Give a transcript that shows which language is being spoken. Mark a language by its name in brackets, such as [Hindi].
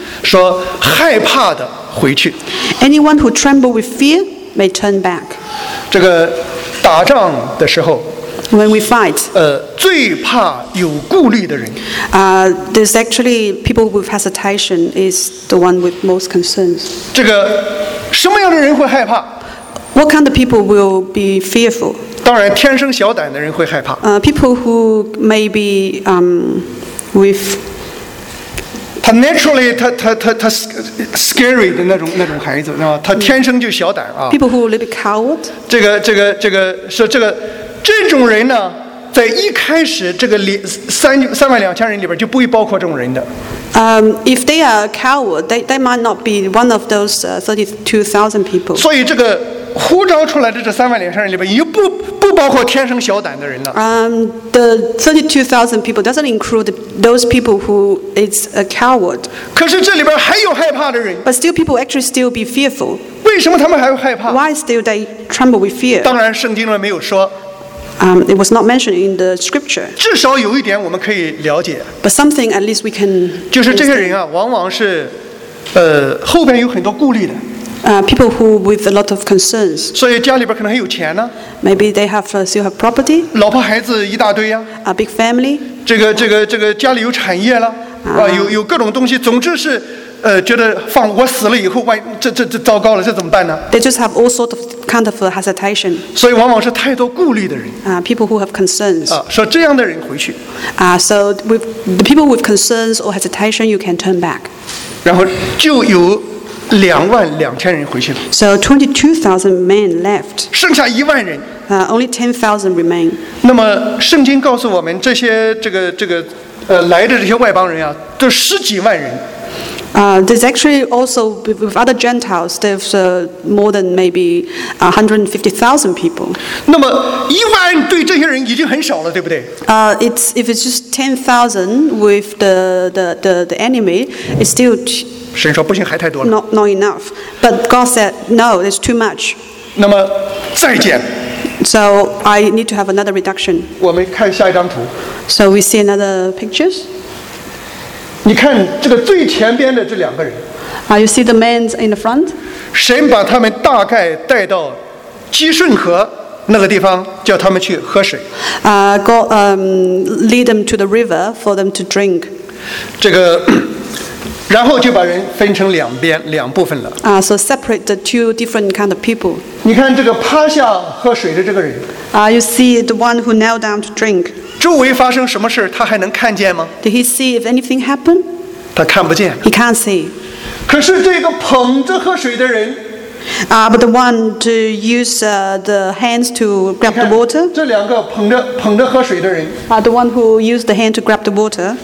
[Chinese] 说害怕的回去。 [English] Anyone who tremble with fear may turn back. [Chinese] 这个打仗的时候。 [English] When we fight. [Chinese] 最怕有顾虑的人。 [English] There's actually people with hesitation is the one with most concerns. [Chinese] 这个什么样的人会害怕 [English] ？What kind of people will be fearful? [Chinese] 当然，天生小胆的人会害怕。 [English] People who may be with [Chinese] 他 [English] naturally [Chinese] 他 [English] scary [Chinese] 的那种孩子，是吧？他天生就小胆啊。 [English] People who are a little bit coward。 [Chinese] 这个是这种人呢，在一开始这个三万两千人里边就不会包括这种人的。 [English] If they are coward, they might not be one of those 32,000 people。 [Chinese] 所以这个呼召出来的这三万两千人里边，不包括天生小胆的人了。 [English] The 32,000 people doesn't include those people who is a coward。 [Chinese] 可是这里边还有害怕的人。 [English] But still, people actually still be fearful。 [Chinese] 为什么他们还会害怕 [English] ？Why still they tremble with fear？ [Chinese] 当然，圣经里没有说。 [English] It was not mentioned in the scripture。 [Chinese] 至少有一点我们可以了解。 [English] But something at least we can。 [Chinese] 就是这些人啊，往往是，后边有很多顾虑的。 [English] People who with a lot of concerns. [Chinese] 所以家里边可能还有钱呢。 [English] Maybe they have still have property. [Chinese] 老婆孩子一大堆呀。 [English] A big family. [Chinese] 这个家里有产业了，有各种东西。总之是，觉得放我死了以后，万这糟糕了，这怎么办呢 [English] ？They just have all sort of kind of hesitation. [Chinese] 所以往往是太多顾虑的人。 [English] People who have concerns. [Chinese] 说这样的人回去。 [English] So with the people with concerns or hesitation, you can turn back. [Chinese] 然后就有。22,000人回去了。 [English] So 22,000 men left. [Chinese] 剩下一万人。 [English] Only 10,000 remain. [Chinese] 那么圣经告诉我们，这些来的这些外邦人啊，都十几万人。 [English] There's actually also with other Gentiles, there's more than maybe 150,000 people. [Chinese] 那么一万对这些人已经很少了，对不对 [English] ？If it's just 10,000 with the enemy, it's still [Chinese] 神说不行，还太多了。 [English] Not enough. But God said, no, it's too much. [Chinese] 那么再减。 [English] So I need to have another reduction. [Chinese] 我们看下一张图。 [English] So we see another pictures. [Chinese] 你看这个最前边的这两个人。 [English] You see the men in the front. [Chinese] 神把他们大概带到基顺河那个地方，叫他们去喝水。 [English] Lead them to the river for them to drink. [Chinese] 这个。然后就把人分成两边两部分了。 [English] So separate the two different kind of people. [Chinese] 你看这个趴下喝水的这个人。 [English] You see the one who knelt down to drink. [Chinese] 周围发生什么事他还能看见吗 [English] ？Did he see if anything happened? [Chinese] 他看不见。 [English] He can't see. [Chinese] 可是这个捧着喝水的人。 [English] But the one to use the hands to grab the water. [Chinese] 这两个捧着喝水的人。 [English] The one who used the hand to grab the water.